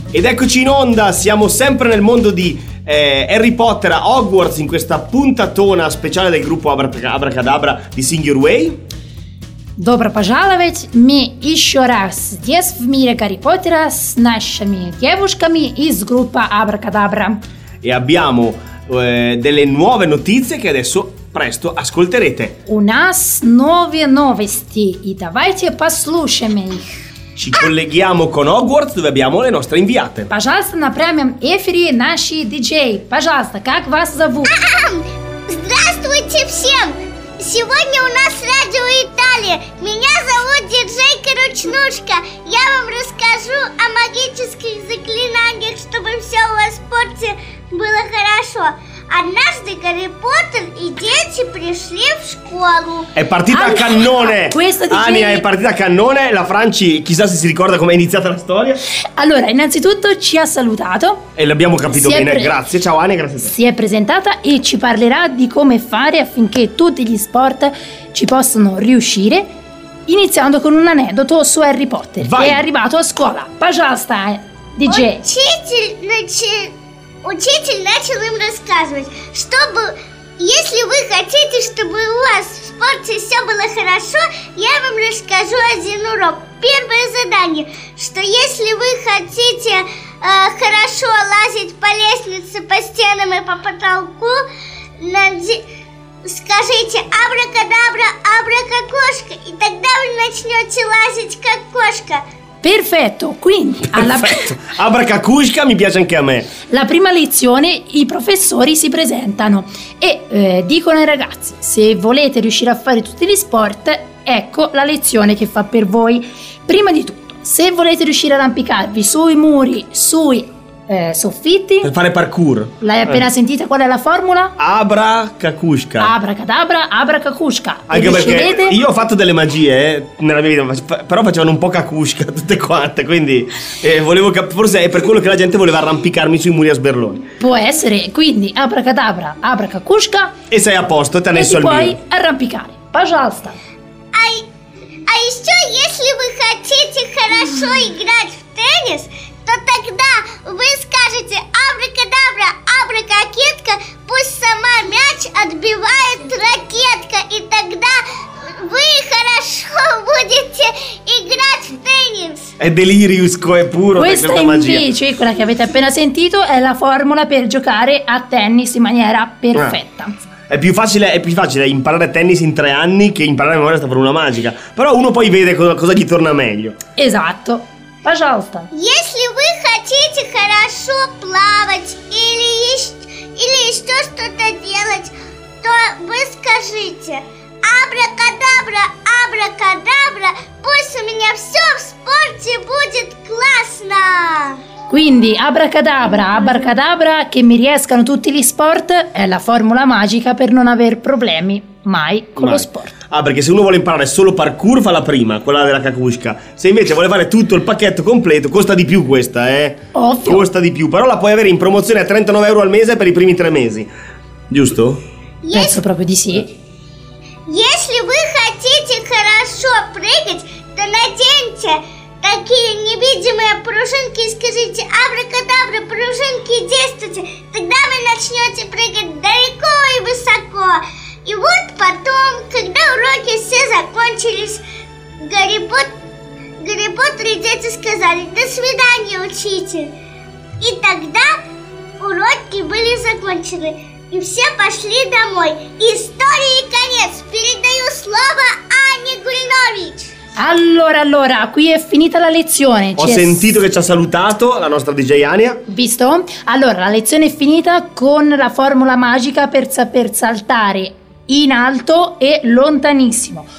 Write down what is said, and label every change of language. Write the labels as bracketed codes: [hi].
[it] Ed eccoci in onda, siamo sempre nel mondo di Harry Potter a Hogwarts in questa puntatona speciale del gruppo Abracadabra di Sing Your Way. [ru] Добро пожаловать! Мы еще раз здесь в мире Гарри Поттера с нашими девушками из группы Абракадабра. [it] И abbiamo delle nuove notizie che adesso presto ascolterete. [ru] У нас новые новости, и давайте послушаем их. [it] Ci colleghiamo con Hogwarts, dove abbiamo le nostre inviate. [ru] Пожалуйста, на прямом эфире наши диджеи. Пожалуйста, как вас зовут? Здравствуйте всем! Сегодня у нас радио Италия. Меня зовут диджей Каручнушка. Я вам расскажу о магических заклинаниях, чтобы все у вас в спорте было хорошо. Однажды Гарри Поттер и дети пришли в школу. [it] È partita a cannone. Ania, è partita a cannone. La Franci, chissà se si ricorda com'è iniziata la storia. Allora, innanzitutto ci ha salutato. E l'abbiamo capito bene. Grazie. Ciao Ania, grazie a te. Si è presentata e ci parlerà di come fare affinché tutti gli sport ci possano riuscire, iniziando con un aneddoto su Harry Potter. Vai. Che è arrivato a scuola. [ru] Пожалуйста, DJ. Учитель начал им рассказывать, чтобы, если вы хотите, чтобы у вас в спорте все было хорошо, я вам расскажу один урок. Первое задание, что если вы хотите хорошо лазить по лестнице, по стенам и по потолку, скажите абракадабра, абракакошка, и тогда вы начнете лазить как кошка. [it] Perfetto, quindi perfetto. Abracacusca mi piace anche a me. La prima lezione i professori si presentano e dicono ai ragazzi: se volete riuscire a fare tutti gli sport, ecco la lezione che fa per voi. Prima di tutto, se volete riuscire ad arrampicarvi sui muri, sui soffitti, per fare parkour, l'hai appena sentita? Qual è la formula? Abracacusca. Abracadabra, abracacusca. Anche perché io ho fatto delle magie nella mia vita, però facevano un po' cacusca tutte quante, quindi volevo forse è per quello che la gente voleva arrampicarmi sui muri a sberloni. Può essere, quindi abracadabra, abracacusca, e sei a posto, te ne so il mio. E puoi arrampicare. [ru] Пожалуйста. А еще, если вы хотите хорошо играть в теннис, то тогда вы скажете абракадабра, абракакетка, пусть сама мяч отбивает ракетка, и тогда вы хорошо будете играть в теннис. [it] È delirius, è puro. Questa è invece, quella che avete appena sentito, è la formula per giocare a tennis in maniera perfetta. È più facile imparare tennis in 3 anni che imparare a memoria questa formula magica. Però uno poi vede cosa gli torna meglio. Esatto. [ru] Пожалуйста. Если вы хотите хорошо плавать или еще что-то делать, то вы скажите абракадабра, абракадабра, пусть у меня все в спорте будет классно. [it] Quindi [ru] абракадабра, абракадабра, [it] che mi riescano tutti gli sport, è la formula magica per non aver problemi mai con lo sport. Ah, perché se uno vuole imparare solo parkour fa la prima, quella della cacusca. Se invece vuole fare tutto il pacchetto completo, costa di più questa, eh? Ovvio. Costa di più, però la puoi avere in promozione a 39 euro al mese per i primi 3 mesi. Giusto? Penso proprio di sì. [ru] Если вы хотите хорошо прыгать, то наденьте такие невидимые пружинки и скажите абракадабра, пружинки, действуйте. Тогда вы начнете прыгать далеко и высоко. И вот потом, когда уроки все закончились, Гарри Поттер и дети сказали: «До свидания, учитель!» И тогда уроки были закончены, и все пошли домой. Истории конец! Передаю слово Ане Гульнович! [it] Allora, qui è finita la lezione. Ho sentito che ci ha salutato la nostra DJ Ania. Visto? Allora, la lezione è finita con la formula magica per saltare in alto e lontanissimo.